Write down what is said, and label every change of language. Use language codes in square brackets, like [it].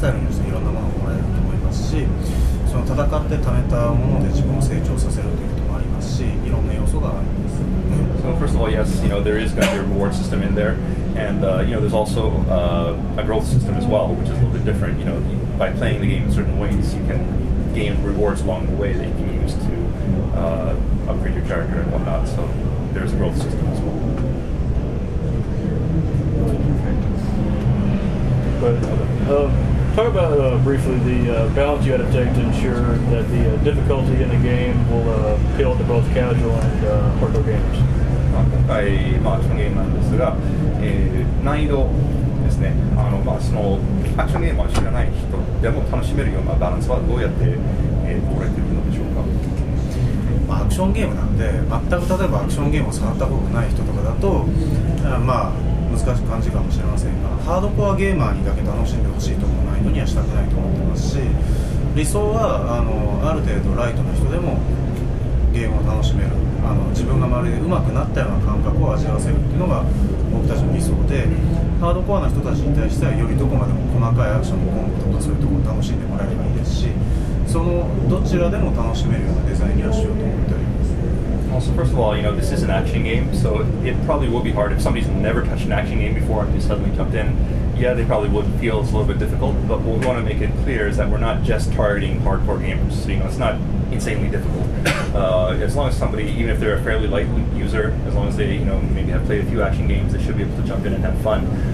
[ja] まあ今まではまあクリアにまあリボードがですねゲームをクリアした時にまあランクをもらうとか今回のライジングでそういうシステムはあるんでしょうか。はい。何かあるでしょうか。ありますか。いろんなプレイスタイルによっていろんなものをもらえると思いますし。 [en] So first of all, yes, there is going to be a reward system in there, and there's also a growth system as well, which is a little bit different. By playing the game in certain ways, you can gain rewards along the way that you can use to upgrade your character and whatnot. So there's a growth system as well. Talk about briefly the balance you had to take to ensure that the difficulty in the game will appeal to both casual and hardcore gamers. [ja] ね、あの、まあ、そのアクションゲームは知らない人でも楽しめるようなバランスはどうやって取れているのでしょうか。アクションゲームなんで全く例えばアクションゲームを触ったことない人とかだと、まあ難しく感じるかもしれませんが、ハードコアゲーマーにだけ楽しんでほしいと思わないのにはしたくないと思ってますし、理想は ある程度ライトな人でもゲームを楽しめる、自分がまるで上手くなったような感覚を味わわせるっていうのが僕たちの理想で、ハードコアな人たちに対してはよりどこまでも細かいアクションのコンボとかそういうところを楽しんでもらえればいいですし、そのどちらでも楽しめるようなデザインにはしようと思っております。 [en] Also, first of all, you know, this is an action game, so it probably would be hard if somebody's never touched an action game before and just suddenly jumped in. Yeah, they probably would feel it's a little bit difficult, but what we want to make it clear is that we're not just targeting hardcore gamers. So, you know, it's not insanely difficult. As long as somebody, even if they're a fairly light user, as long as they, you know, maybe have played a few action games, they should be able to jump in and have fun.